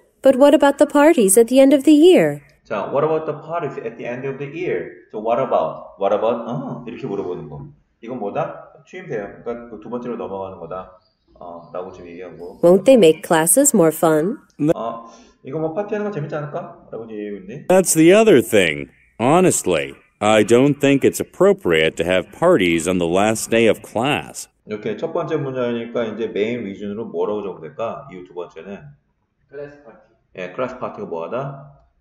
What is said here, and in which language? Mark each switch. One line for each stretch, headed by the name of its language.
English: But what about the parties at the end of the year?
Korean: 자,
English: what about the parties at the end of the year? So what about? What about?
Korean: 이렇게 물어보는 거. 이건 뭐다? 취임돼요. 그러니까 그 두 번째로 넘어가는 거다. 라고 지금 얘기한 거.
English: Won't they make classes more fun?
Korean: 이거 뭐 파티하는 거 재밌지 않을까? 라고 지금 얘기하고 있네.
English: That's the other thing. Honestly, I don't think it's appropriate to have parties on the last day of class.
Korean: 이렇게 첫 번째 문제니까 이제 메인 위준으로 뭐라고 적을까? 이유 두 번째는? 클래스 파티. 예, 클래스 파티가 뭐하다?